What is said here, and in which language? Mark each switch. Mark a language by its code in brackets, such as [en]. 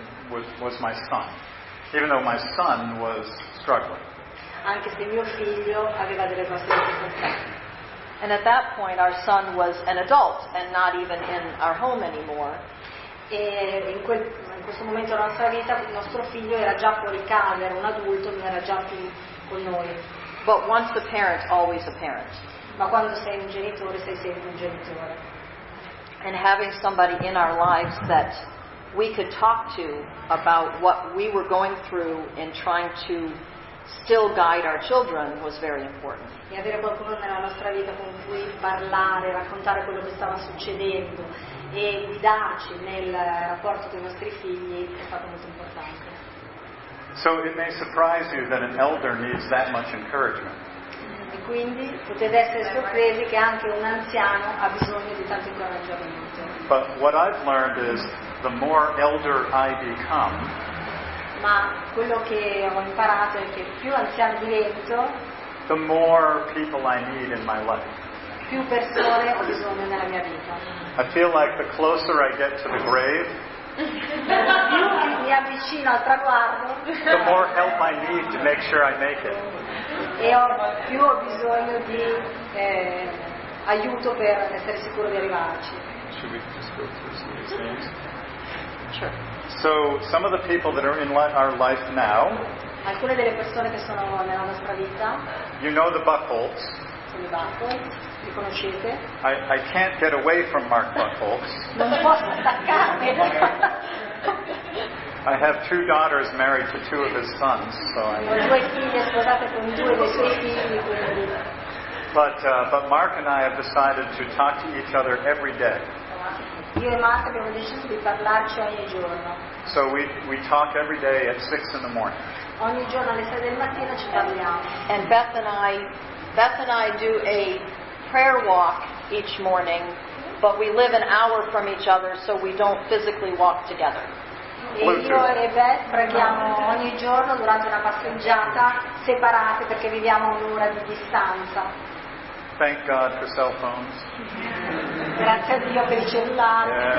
[en] Even though my son was struggling. [it] Anche se mio figlio aveva delle grosse difficoltà. [en] And at that point our son was an adult and not even in our home anymore. [it] E in questo momento della nostra vita il nostro figlio era già fuori casa, era un adulto, non era già più con noi. [en] But once a parent, always a parent. [it] Ma quando sei un genitore, sei sempre un genitore. [en] And having somebody in our lives that we could talk to about what we were going through and trying to still guide our children was very important. [it] E avere qualcuno nella nostra vita con cui parlare, raccontare quello che stava succedendo e guidarci nel rapporto con i nostri figli è stato molto importante. [en] So it may surprise you that an elder needs that much encouragement. [it] E quindi potete essere sorpresi che anche un anziano ha bisogno di tanto incoraggiamento. [en] But what I've learned is the more elder I become. [it] Ma quello che ho imparato è che più anziano divento, [en] the more people I need in my life. [it] Più persone ho bisogno nella mia vita. [en] I feel like the closer I get to the grave, [it] più mi avvicino al traguardo, [en] the more help I need to make sure I make it. [it] E più ho bisogno di aiuto per essere sicuro di arrivarci. [en] Should we just go through some of these things? Sure. So some of the people that are in our life now. [it] Alcune delle persone che sono nella nostra vita. [en] You know the Buchholz. [it] Sono i Buchholz, li conoscete? [en] I can't get away from Mark Buchholz. [it] Non posso staccarmi. [en] I have two daughters married to two of his sons, so I. [it] Ho due figlie sposate con due dei suoi figli. [en] But Mark and I have decided to talk to each other every day. [it] Io e Mark abbiamo deciso di parlarci ogni giorno. [en] So we talk every day at 6 in the morning. [it] Ogni giorno alle 6 del mattino ci parliamo. [en] And Beth and I do a prayer walk each morning, but we live an hour from each other, so we don't physically walk together. [it] Io e Beth preghiamo ogni giorno durante una passeggiata separate perché viviamo un'ora di distanza. [en] Thank God for cell phones. [it] Grazie a Dio per i cellulari.